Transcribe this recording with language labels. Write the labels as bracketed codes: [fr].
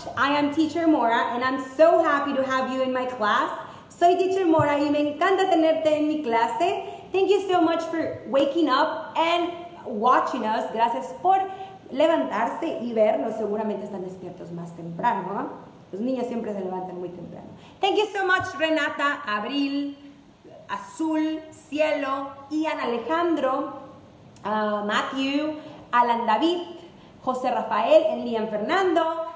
[en] I am Teacher Mora, and I'm so happy to have you in my class. [es] Soy Teacher Mora, y me encanta tenerte en mi clase. [en] Thank you so much for waking up and watching us. [es] Gracias por levantarse y vernos. Seguramente están despiertos más temprano, ¿no? Los niños siempre se levantan muy temprano. [en] Thank you so much, [es] Renata, Abril, Azul, Cielo, Ian Alejandro, Matthew, Alan David, José Rafael, and Liam Fernando.